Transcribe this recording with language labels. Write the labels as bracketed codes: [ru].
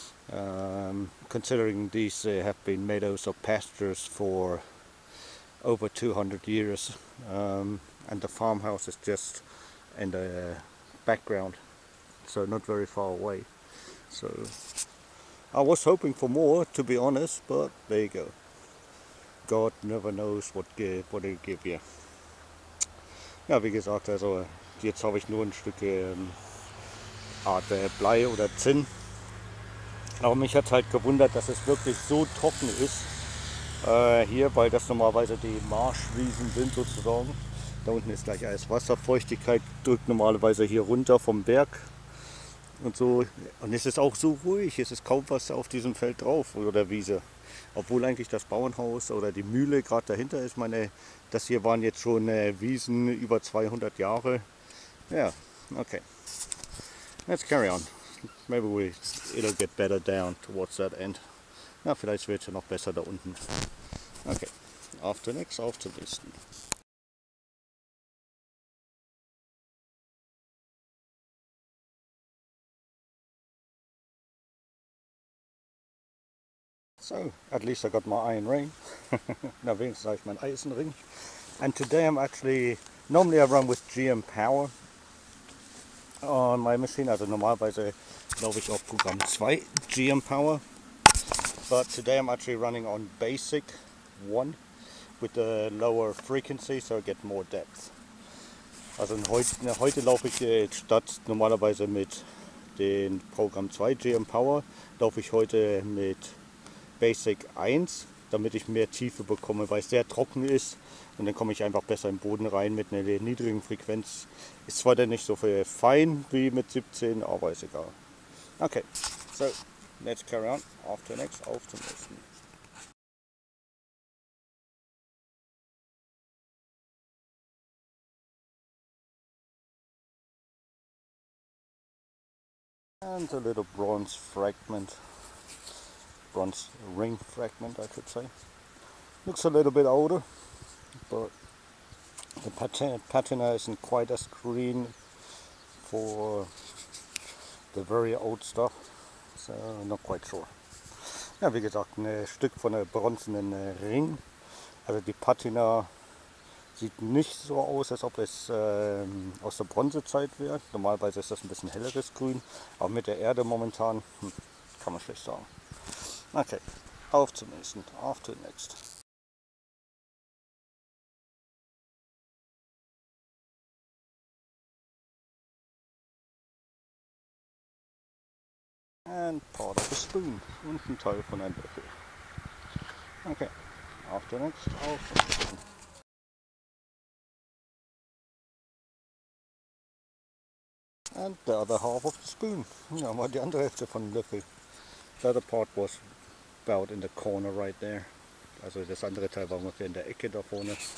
[en] Considering these have been meadows or pastures for over 200 years and the farmhouse is just in the background, so not very far away. So I was hoping for more, to be honest, but there you go. God never knows what he'll give you. [de] Ja, wie gesagt, also jetzt habe ich nur ein Stück Art Blei oder Zinn. Aber mich hat halt gewundert, dass es wirklich so trocken ist hier, weil das normalerweise die Marschwiesen sind sozusagen. Da unten ist gleich alles Wasser, Feuchtigkeit drückt normalerweise hier runter vom Berg und so. Und es ist auch so ruhig, es ist kaum was auf diesem Feld drauf oder der Wiese. Obwohl eigentlich das Bauernhaus oder die Mühle gerade dahinter ist. Ich meine, das hier waren jetzt schon Wiesen über 200 Jahre. Ja, okay. [en] Let's carry on. maybe it'll get better down towards that end. [de] Na, vielleicht wird es ja noch besser da unten. Okay, auf zum nächsten, auf zum nächsten. [en] So, at least I got my iron ring. [de] Na, wenigstens habe ich meinen Eisenring. [en] And today I'm actually, normally I run with GM Power on my machine. [de] Also normalerweise laufe ich auf Programm 2 GM Power. [en] But today I'm actually running on basic 1 with a lower frequency, so I get more depth. [de] Also heute laufe ich statt normalerweise mit dem Programm 2 GM Power, laufe ich heute mit Basic 1, damit ich mehr Tiefe bekomme, weil es sehr trocken ist und dann komme ich einfach besser im Boden rein mit einer niedrigen Frequenz. Ist zwar dann nicht so viel fein wie mit 17, aber ist egal. [en] Okay, so, let's carry on. [de] Auf zum nächsten, auf zum nächsten. [en] And a little bronze fragment. Bronze ring fragment, I could say. Looks a little bit older, but the patina isn't quite as green for the very old stuff, so not quite sure. [de] Ja, wie gesagt, ein Stück von einem bronzenen Ring. Also die Patina sieht nicht so aus, als ob es aus der Bronzezeit wäre. Normalerweise ist das ein bisschen helleres Grün, aber mit der Erde momentan kann man schlecht sagen. Okay, auf zum nächsten, auf zum nächsten. [en] And part of a spoon [de] und ein Teil von einem Löffel. Okay, auf zum nächsten, auf zum nächsten. [en] And the other half of the spoon. [de] Ja, mal die andere Hälfte von dem Löffel. [en] The other part was about in the corner right there. [de] Also das andere Teil war ungefähr in der Ecke da vorne.